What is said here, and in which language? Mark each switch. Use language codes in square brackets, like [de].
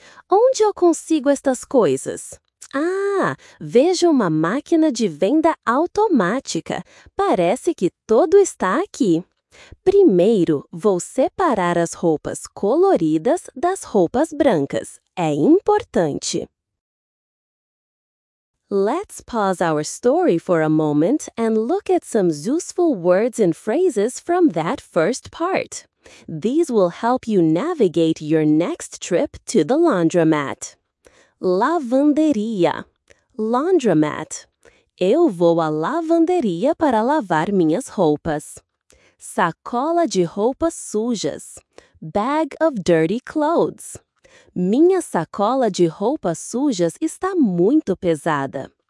[pt] Onde eu consigo estas coisas? Ah, vejo uma máquina de venda automática. Parece que tudo está aqui. Primeiro, vou separar as roupas coloridas das roupas brancas. É importante. [en] Let's pause our story for a moment and look at some useful words and phrases from that first part. These will help you navigate your next trip to the laundromat. [pt] Lavanderia. [en] Laundromat. [pt] Eu vou à lavanderia para lavar minhas roupas. Sacola de roupas sujas. [en] Bag of dirty clothes. [pt] Minha sacola de roupas sujas está muito pesada.